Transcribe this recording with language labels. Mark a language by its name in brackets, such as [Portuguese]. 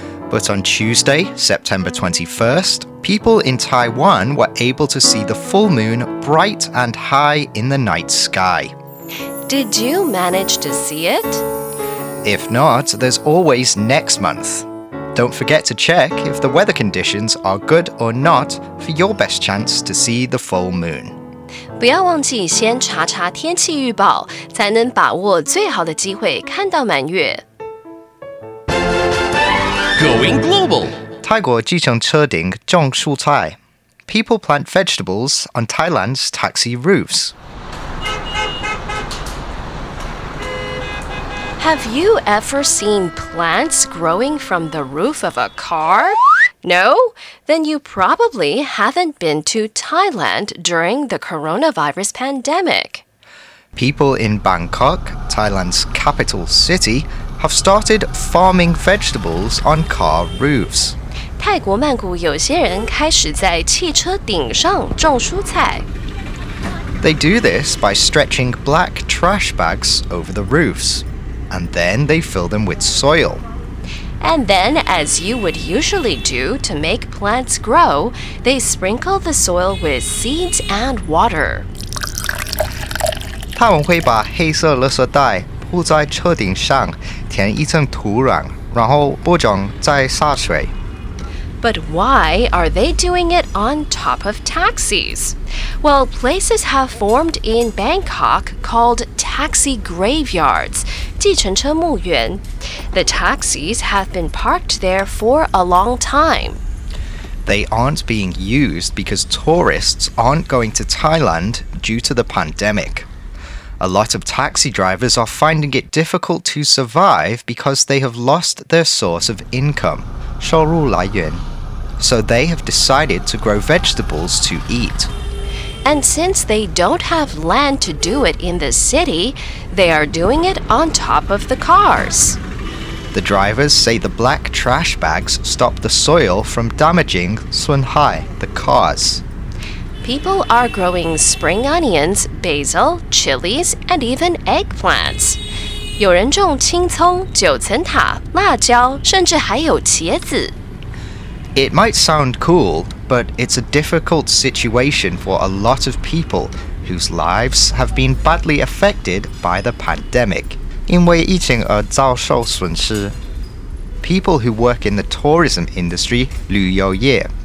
[English] But on Tuesday, September 21st, people in Taiwan were able to see the full moon bright and high in the night sky. Did you manage to see it? If not, there's always next month. Don't forget to check if the weather conditions are good or not for your best chance to see the full moon. [Chinese] 不要忘记先查查天气预报，才能把握最好的机会看到满月。 [English] Going global. [Chinese] 泰国计程车顶种蔬菜。 [English] People plant vegetables on Thailand's taxi roofs. Have you ever seen plants growing from the roof of a car? No? Then you probably haven't been to Thailand during the coronavirus pandemic. People in Bangkok, Thailand's capital city, have started farming vegetables on car roofs. [Chinese] 泰国曼谷有些人开始在汽车顶上种蔬菜。 [English] They do this by stretching black trash bags over the roofs, and then they fill them with soil. And then, as you would usually do to make plants grow, they sprinkle the soil with seeds and water. [Chinese] 他们会把黑色垃圾袋铺在车顶上，填一层土壤，然后播种，再洒水。 [English] But why are they doing it on top of taxis? Well, places have formed in Bangkok called taxi graveyards, [Chinese] 计程车墓园. [English] The taxis have been parked there for a long time. They aren't being used because tourists aren't going to Thailand due to the pandemic. A lot of taxi drivers are finding it difficult to survive because they have lost their source of income, [Chinese] 收入来源. [English] So they have decided to grow vegetables to eat. And since they don't have land to do it in the city, they are doing it on top of the cars. The drivers say the black trash bags stop the soil from damaging [Chinese] 损害, [English] the cars. People are growing spring onions, basil, chilies, and even eggplants. [Chinese] 有人种青葱、九层塔、辣椒，甚至还有茄子。 [English] It might sound cool, but it's a difficult situation for a lot of people whose lives have been badly affected by the pandemic. [Chinese] 因为疫情而遭受损失。 [English] People who work in the tourism industry, [Chinese] 旅游业,